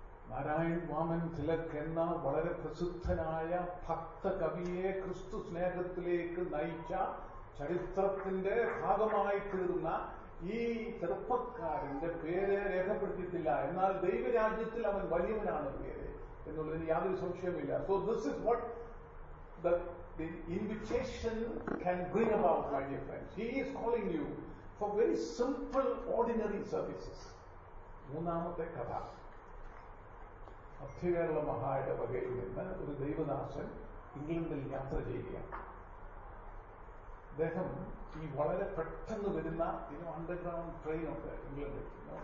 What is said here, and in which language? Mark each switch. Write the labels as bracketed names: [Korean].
[Malayalam] നാരായണൻ വാമൻ തിലക് എന്ന വളരെ പ്രസിദ്ധനായ ഭക്ത കവിയെ ക്രിസ്തു സ്നേഹത്തിലേക്ക് നയിച്ച, ചരിത്രത്തിന്റെ ഭാഗമായി തീർന്ന ഈ ചെറുപ്പക്കാരന്റെ പേര് രേഖപ്പെടുത്തിയിട്ടില്ല. എന്നാൽ ദൈവരാജ്യത്തിൽ അവൻ വലിയവനാണ് പേര് എന്നുള്ളതിന് യാതൊരു സംശയമില്ല. [English] So this is what the invitation can bring about, my dear friends. He is calling you for very simple, ordinary services. [Malayalam] മൂന്നാമത്തെ കഥ, മധ്യകേരള മഹായുടെ വകയിൽ നിന്ന് ഒരു ദൈവദാസൻ ഇംഗ്ലണ്ടിൽ യാത്ര ചെയ്യുകയാണ്. അദ്ദേഹം ഈ വളരെ പെട്ടെന്ന് വരുന്ന അണ്ടർഗ്രൗണ്ട് ട്രെയിൻ ഉണ്ട് ഇംഗ്ലണ്ടിൽ.